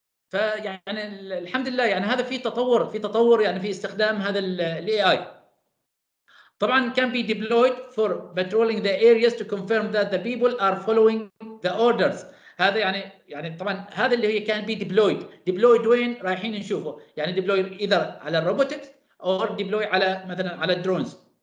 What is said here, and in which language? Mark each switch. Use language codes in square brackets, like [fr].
[ar] فيعني الحمد لله يعني هذا في تطور يعني في استخدام هذا الـ AI. [en] طبعا can be deployed for patrolling the areas to confirm that the people are following the orders. [ar] هذا يعني طبعا هذا اللي هي [en] can be deployed [ar] وين رايحين نشوفه يعني deploy either على الروبوتكس أو deploy على مثلا على الدرونز.